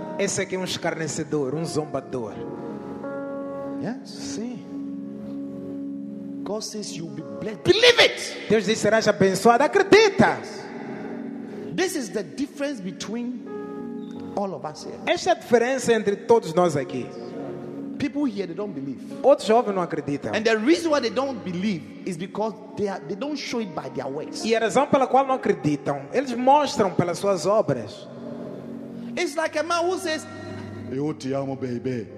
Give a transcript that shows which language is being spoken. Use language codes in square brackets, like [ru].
[pt] Esse aqui é escarnecedor, zombador. [en] Yes? [pt] Sim. [en] God says you'll be blessed. Believe it! [pt] Deus diz, serás abençoado. Acredita! [en] Yes. This is the difference between all of us here. [pt] Essa é a diferença entre todos nós aqui. [en] People here, they don't believe. [pt] Outros jovens não acreditam. [en] And the reason why they don't believe is because they don't show it by their works. [pt] E a razão pela qual não acreditam, eles mostram pelas suas obras. [en] It's like a man who says, [pt] eu te amo, [en] baby.